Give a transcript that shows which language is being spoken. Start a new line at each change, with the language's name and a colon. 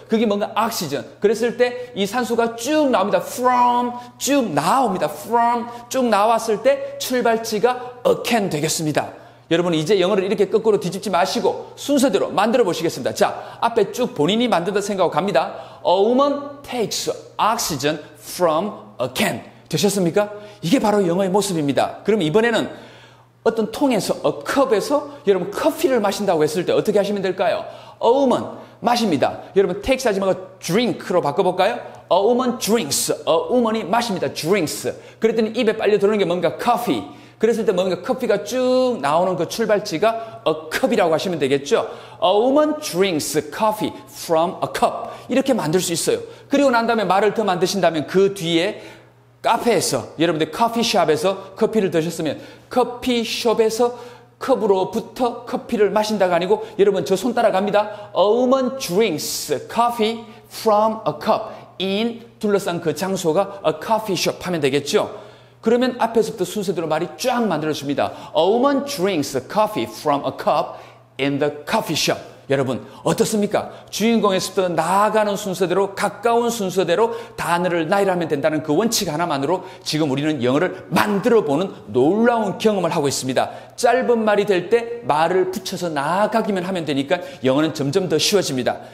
Korean: 그게 뭔가 oxygen. 그랬을 때 이 산소가 쭉 나옵니다. from 쭉 나옵니다. from 쭉 나왔을 때 출발지가 a can 되겠습니다. 여러분 이제 영어를 이렇게 거꾸로 뒤집지 마시고 순서대로 만들어 보시겠습니다. 자, 앞에 쭉 본인이 만든다 생각하고 갑니다.
English: A woman takes oxygen from a can.
Korean: 되셨습니까? 이게 바로 영어의 모습입니다. 그럼 이번에는 어떤 통에서, a cup에서 여러분 커피를 마신다고 했을 때 어떻게 하시면 될까요?
English: A woman
Korean: 마십니다. 여러분 takes 하지 말고 drink로 바꿔볼까요?
English: A woman drinks. A woman이
Korean: 마십니다.
English: drinks.
Korean: 그랬더니 입에 빨려 들어오는 게 뭔가 커피. 그랬을 때 뭔가 커피가 쭉 나오는 그 출발지가 a cup이라고 하시면 되겠죠.
English: A woman drinks coffee from a cup.
Korean: 이렇게 만들 수 있어요. 그리고 난 다음에 말을 더 만드신다면 그 뒤에 카페에서, 여러분들 커피숍에서 커피를 드셨으면 커피숍에서 컵으로부터 커피를 마신다가 아니고 여러분 저 손 따라갑니다.
English: A woman drinks coffee from a cup in
Korean: 둘러싼 그 장소가
English: a coffee shop
Korean: 하면 되겠죠. 그러면 앞에서부터 순서대로 말이 쫙 만들어집니다.
English: A woman drinks coffee from a cup in the coffee shop.
Korean: 여러분 어떻습니까? 주인공에서부터 나아가는 순서대로, 가까운 순서대로 단어를 나열하면 된다는 그 원칙 하나만으로 지금 우리는 영어를 만들어보는 놀라운 경험을 하고 있습니다. 짧은 말이 될 때 말을 붙여서 나아가기만 하면 되니까 영어는 점점 더 쉬워집니다.